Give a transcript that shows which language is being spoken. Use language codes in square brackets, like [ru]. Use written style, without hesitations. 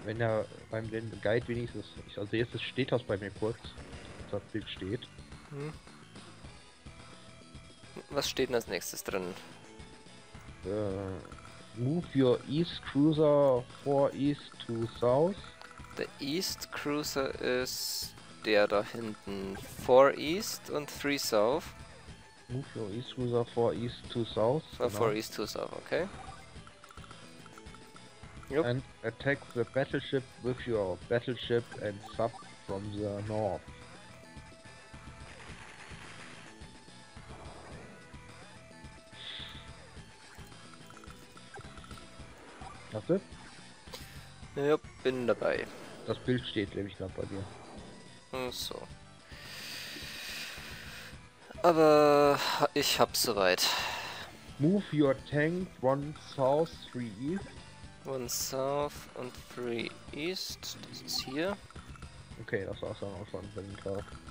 [de] Wenn er beim Guide wenigstens. Also jetzt ist steht das bei mir kurz. Das Bild steht. Was steht denn als nächstes drin? [en] Move your east cruiser 4 east to south. The east cruiser is [de] der da hinten. [en] 4 east und 3 south. Move your east cruiser 4 east to south. 4 east to south, okay. Yep. And attack the battleship with your battleship and sub from the north. [de] Hast du? Ja, yep, bin dabei. Das Bild steht nämlich gerade bei dir. So. Aber ich hab's soweit. [en] Move your tank 1 south 3 east. [de] 1 south und 3 east, das ist hier. Okay, das war's dann auch schon, wenn ich drauf.